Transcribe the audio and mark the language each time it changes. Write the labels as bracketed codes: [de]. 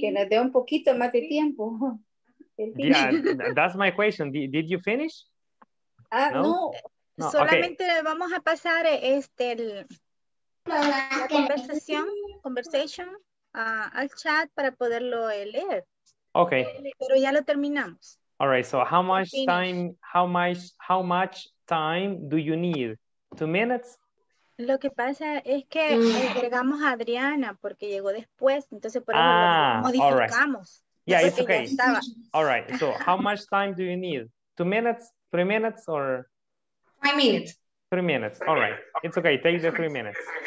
[es] Que nos dé un poquito más de tiempo. [en] Yeah, that's my question. Did you finish? [es] No. No, solamente okay. Vamos a pasar la conversación al chat para poderlo leer. [en] Okay. [es] Pero ya lo terminamos. [en] All right. So how much time do you need? 2 minutes? [es] Lo que pasa es que agregamos a Adriana porque llegó después, entonces por eso modificamos. [en] Right. Yeah, it's okay. All right. So how much time do you need? 2 minutes? 3 minutes? Or 5 minutes. 3 minutes. All right. It's okay. Take the 3 minutes.